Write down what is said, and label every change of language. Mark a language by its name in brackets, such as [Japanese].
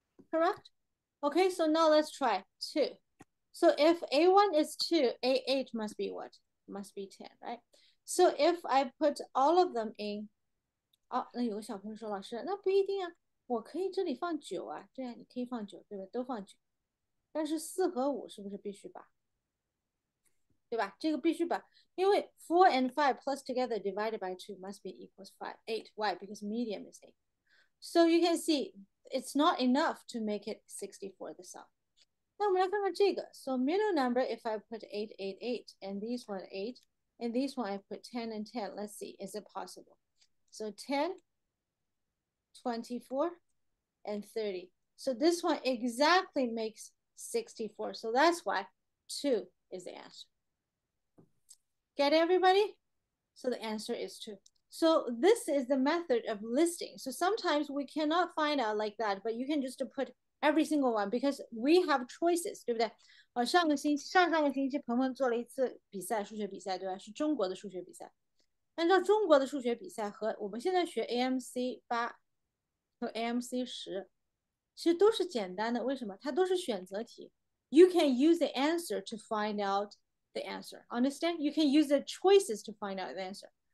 [English] Correct? Okay, so now let's try 2. So if A1 is 2, A8 must be what? Must be 10, right? So if I put all of them in, [Chinese] 那有个小朋友说,老师,那不一定啊,我可以这里放9啊,对啊,你可以放9,对吧,都放9。但是4和5是不是必须把?对吧? 这个必须把, 因为 [English] 4 and 5 plus together divided by 2 must be equals 5, 8. Why? Because medium is 8. So you can see, it's not enough to make it 64 the sum. [Chinese] 那我们来看看这个, [English] so middle number, if I put 8, 8, 8, and these one 8, and these one I put 10 and 10, let's see, is it possible? So 10, 24, and 30. So this one exactly makes 64. So that's why 2 is the answer. Get everybody? So the answer is 2. So this is the method of listing. So sometimes we cannot find out like that, but you can just put every single one because we have choices, [Chinese] 对不对？上个星期彭彭做了一次比赛，数学比赛，对吧？是中国的数学比赛。按照中国的数学比赛和我们现在学AMC8和AMC10，其实都是简单的。为什么？它都是选择题。 [English] You can use the answer to find out the answer. Understand? You can use the choices to find out the answer.